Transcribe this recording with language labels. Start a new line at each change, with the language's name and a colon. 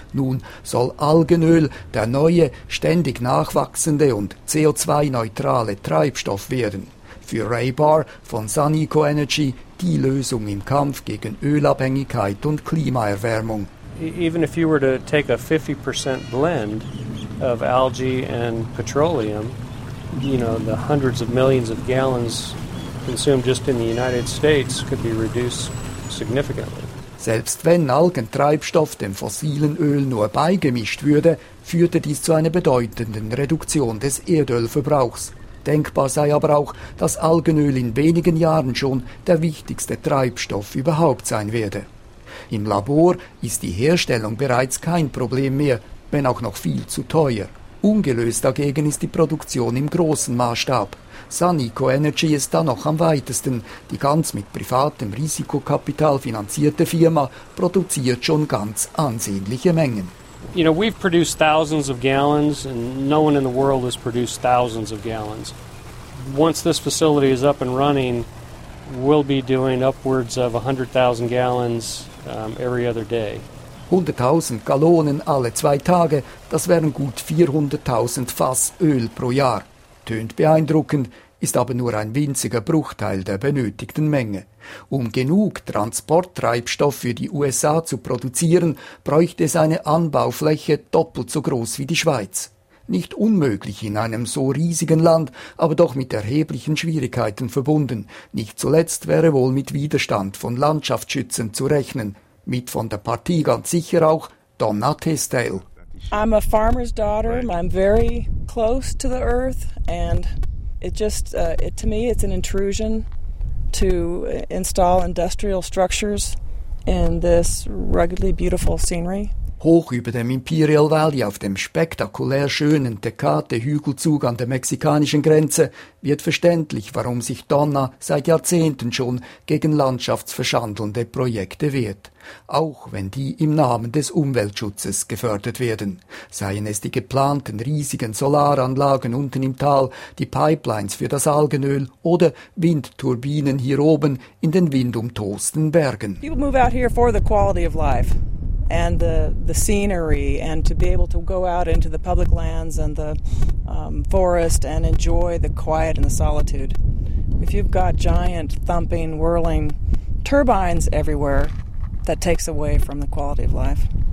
German: Nun soll Algenöl der neue, ständig nachwachsende und CO2-neutrale Treibstoff werden. Für Ray Barr von Sun Eco Energy die Lösung im Kampf gegen Ölabhängigkeit und Klimaerwärmung.
English: Even if you were to take a 50% blend of algae and petroleum, you know, the hundreds of millions of gallons consumed just in the United States could be reduced significantly.
German: Selbst wenn Algentreibstoff dem fossilen Öl nur beigemischt würde, führte dies zu einer bedeutenden Reduktion des Erdölverbrauchs. Denkbar sei aber auch, dass Algenöl in wenigen Jahren schon der wichtigste Treibstoff überhaupt sein werde. Im Labor ist die Herstellung bereits kein Problem mehr, wenn auch noch viel zu teuer. Ungelöst dagegen ist die Produktion im großen Maßstab. Sun Eco Energy ist da noch am weitesten. Die ganz mit privatem Risikokapital finanzierte Firma produziert schon ganz ansehnliche Mengen.
English: You know, we've produced thousands of gallons and no one in the world has produced thousands of gallons. Once this facility is up and running, we'll be doing upwards of 100,000 gallons every other day.
German: 100.000 Gallonen alle zwei Tage, das wären gut 400.000 Fass Öl pro Jahr. Tönt beeindruckend, ist aber nur ein winziger Bruchteil der benötigten Menge. Um genug Transporttreibstoff für die USA zu produzieren, bräuchte es eine Anbaufläche doppelt so groß wie die Schweiz. Nicht unmöglich in einem so riesigen Land, aber doch mit erheblichen Schwierigkeiten verbunden. Nicht zuletzt wäre wohl mit Widerstand von Landschaftsschützern zu rechnen. Mit von der Partie ganz sicher auch Donna Testale.
English: I'm a farmer's daughter. I'm very close to the earth, and it just it, to me it's an intrusion to install industrial structures in this ruggedly beautiful scenery.
German: Hoch über dem Imperial Valley auf dem spektakulär schönen Tecate-Hügelzug an der mexikanischen Grenze wird verständlich, warum sich Donna seit Jahrzehnten schon gegen landschaftsverschandelnde Projekte wehrt. Auch wenn die im Namen des Umweltschutzes gefördert werden. Seien es die geplanten riesigen Solaranlagen unten im Tal, die Pipelines für das Algenöl oder Windturbinen hier oben in den windumtosten Bergen.
English: People move out here for the quality of life. And the scenery, and to be able to go out into the public lands and the forest and enjoy the quiet and the solitude. If you've got giant, thumping, whirling turbines everywhere, that takes away from the quality of life.